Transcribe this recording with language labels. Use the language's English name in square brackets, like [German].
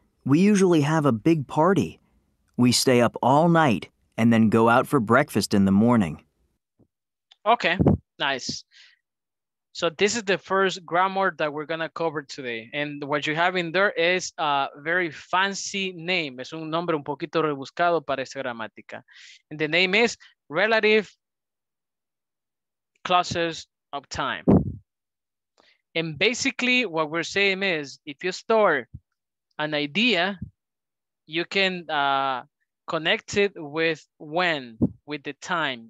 [English] We usually have a big party. We stay up all night and then go out for breakfast in the morning. Okay, nice. So this is the first grammar that we're going to cover today. And what you have in there is a very fancy name. [Spanish] Es un nombre un poquito rebuscado para esta gramática. [English] And the name is Relative Clauses of Time. And basically what we're saying is if you store an idea, you can connect it with when, with the time.